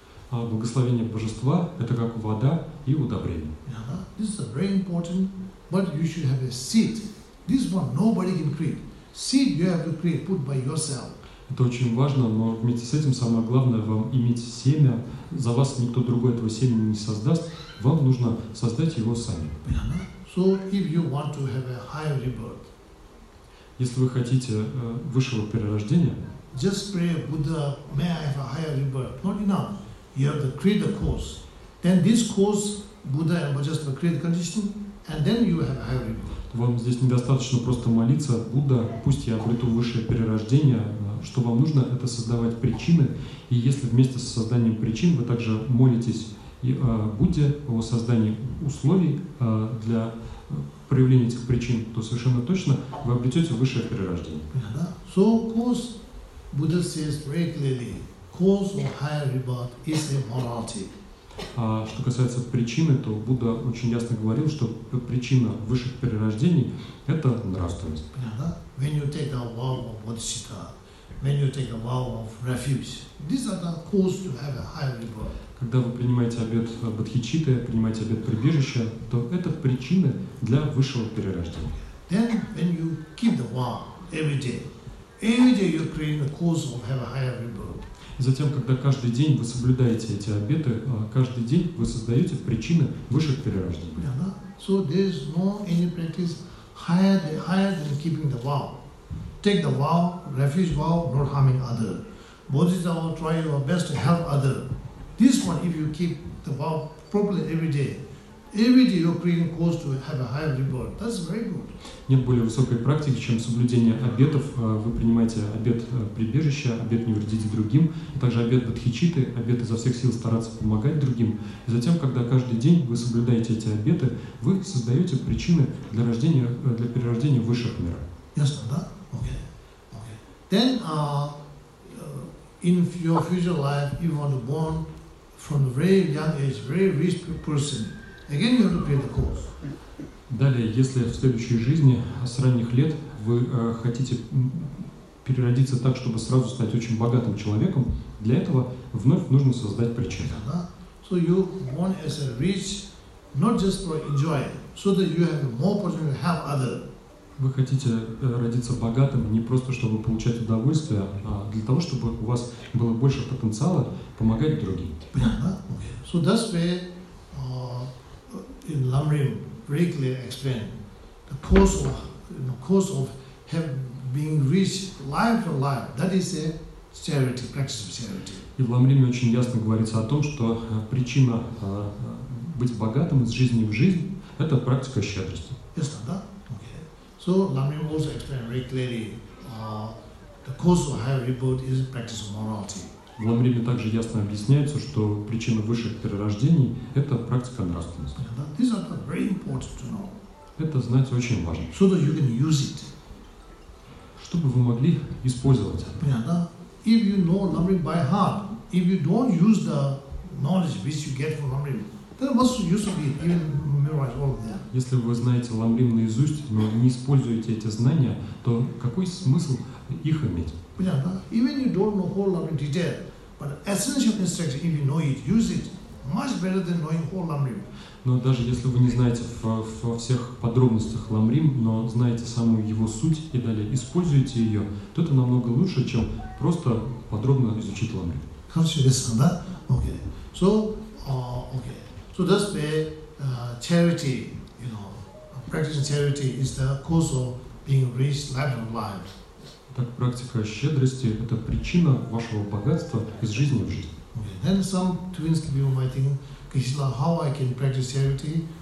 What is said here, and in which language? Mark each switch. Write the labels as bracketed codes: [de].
[ru] А благословение Божества – это как вода и удобрение. [en] This is very important, but you should have a seed. This one nobody can create. Seed you have to create, put by yourself. [ru] Это очень важно, но вместе с этим самое главное – вам иметь семя. За вас никто другой этого семени не создаст. Вам нужно создать его сами. [en] So if you want to have a higher rebirth, [ru] если вы хотите высшего перерождения, [en] just pray, Buddha, may I have a higher rebirth. Not enough. You have to create a course. Then this course, Buddha and Bodhisattva create condition, and then you have a higher rebirth. [ru] Вам здесь недостаточно просто молиться, Будда, пусть я обрету высшее перерождение. Что вам нужно, это создавать причины. И если вместе с созданием причин вы также молитесь и Будде о создании условий для проявления этих причин, то совершенно точно вы обретете высшее перерождение. [en] So, course, Buddha says very clearly, cause of higher rebirth is immorality. [ru] Что касается причины, то Будда очень ясно говорил, что причина высших перерождений – это нравственность. [en] When you take the vow of bodhicitta, when you take a vow of refuge, these are the cause to have a higher rebirth. [ru] Когда вы принимаете обет бодхичитты, принимаете обет прибежища, то это причины для высшего перерождения. [en] Then when you keep the vow every day you're creating the cause of have a higher rebirth. [ru] Затем, когда каждый день вы соблюдаете эти обеты, каждый день вы создаете причины высших перерождений. [en] So there is no any practice higher than keeping the vow. Take the vow, refuge vow, not harming other. Bodhisattva, try your best to help other. This one, if you keep the vow properly every day you're creating cause to have a higher rebirth. That's very good. [ru] Нет более высокой практики, чем соблюдение обетов. Вы принимаете обет прибежища, обет не вредить другим, также обет бодхичитты, обет изо всех сил стараться помогать другим. И затем, когда каждый день вы соблюдаете эти обеты, вы создаете причины для рождения, для перерождения высших миров. Ясно, да? Okay. [en] Then, in your future life, you want to born from a very young age, very rich person. Again, you have to create the course. [ru] Далее, если в следующей жизни с ранних лет вы хотите переродиться так, чтобы сразу стать очень богатым человеком, для этого вновь нужно создать причину. [en] So you born as a rich, not just for enjoy, so that you have more opportunity to help others. [ru] Вы хотите родиться богатым не просто, чтобы получать удовольствие, а для того, чтобы у вас было больше потенциала помогать другим. [en] So that's why in Lamrim very clearly explained the course of have being rich life for life. That is a charity, practice of charity. [ru] И в Ламриме очень ясно говорится о том, что причина быть богатым из жизни в жизнь – это практика щедрости. Ясно, да? [en] So Lamrim also explained very clearly the cause of higher rebirth is practice of morality. [ru] В Ламриме также ясно объясняется, что причина высших перерождений – это практика нравственности. [en] These are very important to know. [ru] Это знать очень важно. [en] So that you can use it. [ru] Чтобы вы могли использовать это. [en] If you know Lamrim by heart, if you don't use the knowledge which you get from Lamrim, then what's the use of it? Even memorize all of them. [ru] Если вы знаете Ламрим наизусть, но не используете эти знания, то какой смысл их иметь? [en] Even you don't know whole Ламрим detail, but essential instruction, if you know it, use it, much better than knowing whole Ламрим. [ru] Но даже если вы не знаете во всех подробностях Ламрим, но знаете самую его суть и далее используете ее, то это намного лучше, чем просто подробно изучить Ламрим. Хорошо, ясно, да? Okay. [en] So that's the charity. You know, practicing charity is the cause of being rich, life of life. [ru] Так практика щедрости – это причина вашего богатства из жизни в жизнь. [en] Then some twins can be writing, Krishna, how I can practice charity?